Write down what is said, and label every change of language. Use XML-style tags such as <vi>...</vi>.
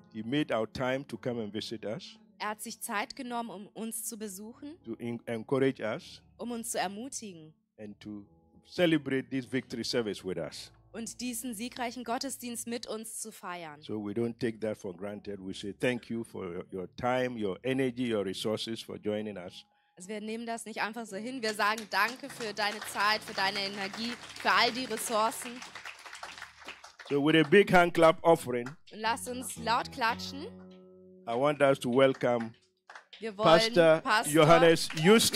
<en>He made out time to come and visit us.</en> <de>Er hat sich Zeit genommen, um uns zu besuchen.</de> <en>To encourage us.</en> <de>Um uns zu ermutigen.</de> <en>And to celebrate this victory service with us.</en> <de>Und diesen siegreichen Gottesdienst mit uns zu feiern.</de> <en>So we don't take that for granted. We say thank you for your time, your energy, your resources for joining us.</en> <de>Also wir nehmen das nicht einfach so hin. Wir sagen danke für deine Zeit, für deine Energie, für all die Ressourcen.</de> <en>So with a big hand clap offering.</en> <de>Und lasst uns laut klatschen.</de> <en>I want us to welcome</en> <de>wir wollen Pastor Johannes Justus.</de>